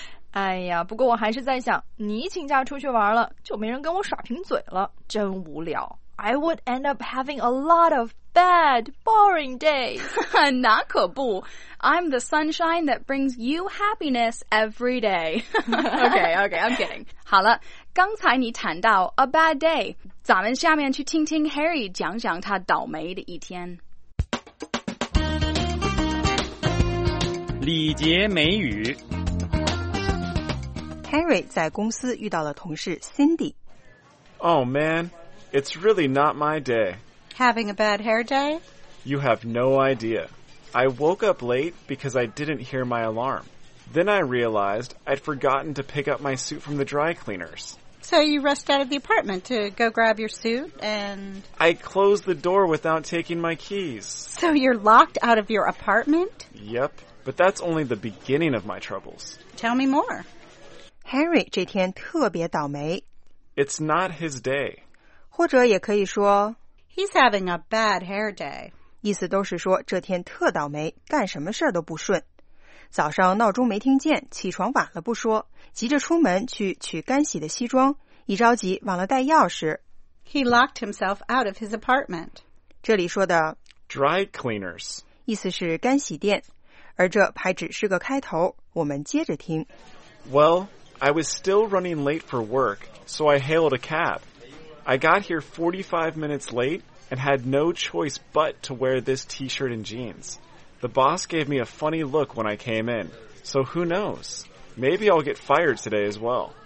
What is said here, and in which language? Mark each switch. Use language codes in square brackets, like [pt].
[zh] 哎呀，不过我还是在想，你请假出去玩了，就没人跟我耍贫嘴了，真无聊。 [en] I would end up having a lot of bad, boring days. [zh] 那可不。 [en] I'm the sunshine that brings you happiness every day. okay, I'm kidding. [zh] 好了，刚才你谈到 [en] a bad day, [zh] 咱们下面去听听 Harry 讲讲他倒霉的一天。礼节美语。 Harry 在公司遇到了同事 Cindy。 [en] Oh man, it's really not my day. Having a bad hair day? You have no idea. I woke up late because I didn't hear my alarm. Then I realized I'd forgotten to pick up my suit from the dry cleaners. So you rushed out of the apartment to go grab your suit and... I closed the door without taking my keys. So you're locked out of your apartment? Yep, but that's only the beginning of my troubles. Tell me more. [zh] Harry 这天特别倒霉。 [en] It's not his day. [zh] 或者也可以说 [en] He's having a bad hair day. [zh] 意思都是说这天特倒霉，干什么事都不顺。早上闹钟没听见，起床晚了不说，急着出门去取干洗的西装，一着急忘了带钥匙。 [en] He locked himself out of his apartment. [zh] 这里说的 [en] dry cleaners [zh] 意思是干洗店，而这还只是个开头，我们接着听。 [en] Well, I was still running late for work, so I hailed a cab. I got here 45 minutes late. And had no choice but to wear this t-shirt and jeans. The boss gave me a funny look when I came in. So who knows? Maybe I'll get fired today as well.